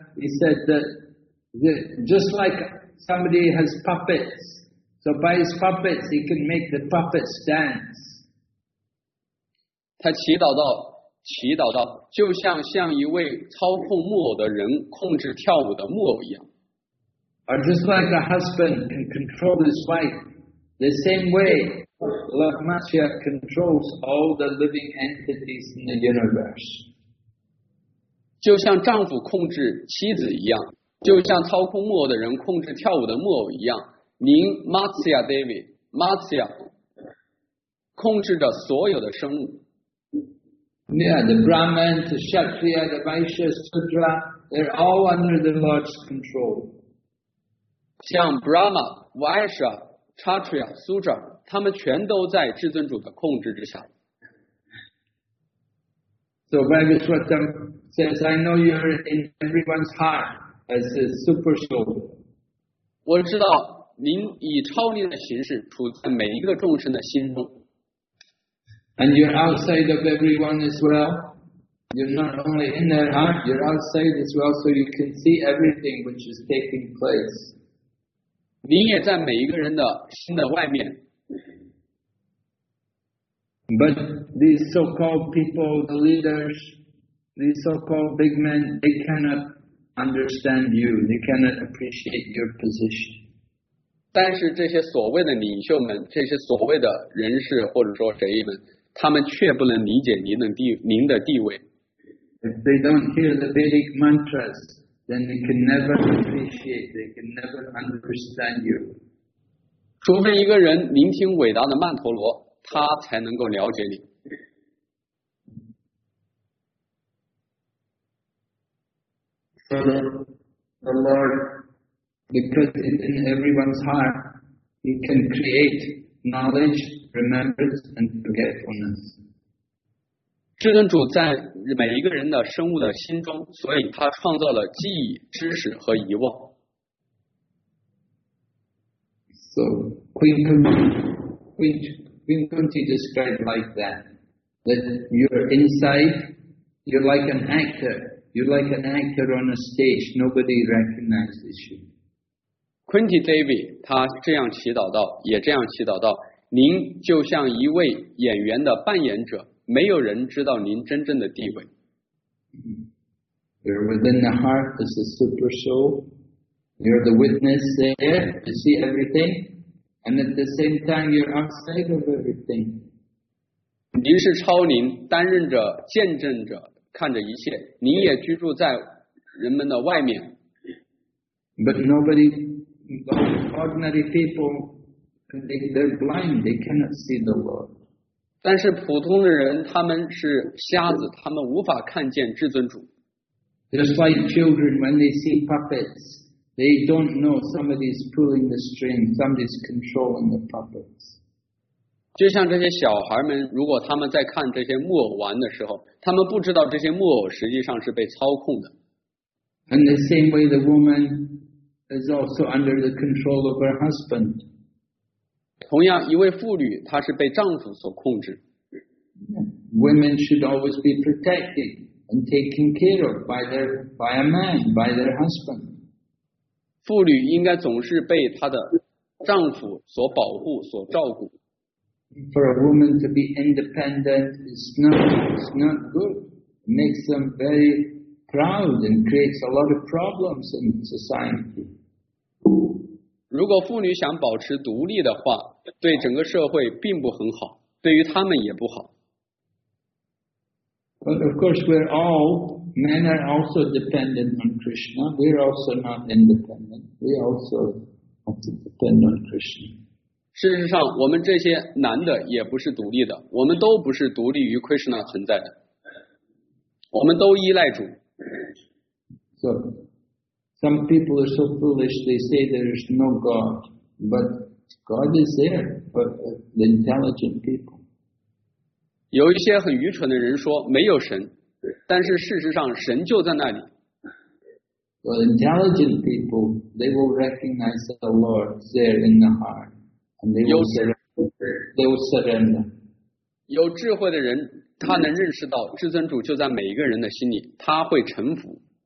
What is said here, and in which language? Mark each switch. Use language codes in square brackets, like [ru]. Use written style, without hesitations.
[en] He said that just like somebody has puppets, so by his puppets he can make the puppets dance. [zh] 他祈祷到，就像一位操控木偶的人控制跳舞的木偶一样。 [en] Or just like a husband can control his wife, the same way Lord Matsya controls all the living entities in the universe. [zh] 就像丈夫控制妻子一样，就像操控木偶的人控制跳舞的木偶一样，您 Matsya Devi Matsya 控制着所有的生物。 [en] Yeah, the Brahman, the Kshatriya, the Vaishya, Sudra, they're all under the Lord's control. [zh] 像 Brahma, Vaishya, Kshatriya, Sudra。他们全都在至尊主的控制之下。 [en] So Vaishvatam says, I know you're in everyone's heart as a super soul. [zh] 我知道您以超力的形式处在每一个众生的心中。 [en] And you're outside of everyone as well. You're not only in their heart, you're outside as well, so you can see everything which is taking place. [zh] 您也在每一个人的心的外面。 [en] But these so-called people, the leaders, these so-called big men, they cannot understand you. They cannot appreciate your position. [zh] 但是这些所谓的领袖们，这些所谓的人士或者说谁们，他们却不能理解您的地位。 [en] If they don't hear the Vedic mantras, then they can never appreciate. They can never understand you. [zh] 除非一个人聆听伟大的曼陀罗。他才能够了解你。 [en] So the Lord, because it's in everyone's heart, He can create knowledge, remembrance, and forgetfulness. [zh] 至尊主在每一个人的生物的心中，所以他创造了记忆、知识和遗忘。 [en] So Queen Kunti described like that. that you're inside, you're like an actor. You're like an actor on a stage. Nobody recognizes you. [zh] Quincy David, 他这样祈祷道，也这样祈祷道，您就像一位演员的扮演者，没有人知道您真正的地位。 [en] You're within the heart as a super soul. You're the witness there. You see everything. And at the same time, you're outside of everything. [zh] 您是超灵，担任着见证者，看着一切。您也居住在人们的外面。 [en] But nobody, ordinary people, they're blind. They cannot see the Lord. [zh] 但是普通的人，他们是瞎子，他们无法看见至尊主。 [en] Just like children, when they see puppets, they don't know somebody's pulling the string, somebody's controlling the puppets. [zh] 就像这些小孩们，如果他们在看这些木偶玩的时候，他们不知道这些木偶实际上是被操控的。 [en] In the same way, the woman is also under the control of her husband. [zh] 同样，一位妇女她是被丈夫所控制。 [en] Women should always be protected. And taken care of by a man, by their husband. [zh] 妇女应该总是被她的丈夫所保护、所照顾。 [en] For a woman to be independent is not good. It makes them very proud and creates a lot of problems in society. [zh] 如果妇女想保持独立的话，对整个社会并不很好，对于她们也不好。 [en] But of course, we're all, men are also dependent on Krishna. We're also not independent. We also have to depend on Krishna. [zh] 事实上，我们这些男的也不是独立的，我们都不是独立于 Krishna 存在的，我们都依赖主。 [en] So, some people are so foolish, they say there is no God, but God is there for the intelligent people. [zh] 有一些很愚蠢的人说没有神，但是事实上神就在那里。 [en] Well, intelligent people, they will recognize the Lord there in the heart, and they will surrender. [zh] 有智慧的人，他能认识到至尊主就在每一个人的心里，他会臣服。